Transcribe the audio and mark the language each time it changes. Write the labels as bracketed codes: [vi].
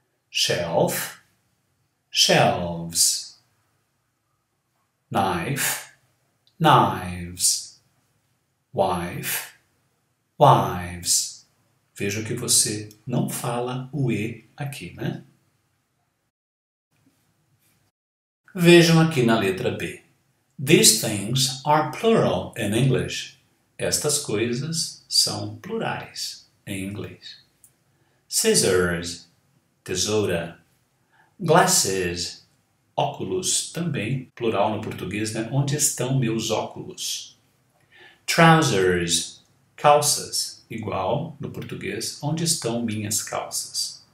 [en] Shelf, shelves. Knife, knives. Wife, wives. [pt] Veja que você não fala o E aqui, né? Vejam aqui na letra B. [en] These things are plural in English. [pt] Estas coisas são plurais em inglês. Scissors, tesoura. Glasses, óculos, também plural no português, né? Onde estão meus óculos? Trousers, calças, igual no português, onde estão minhas calças?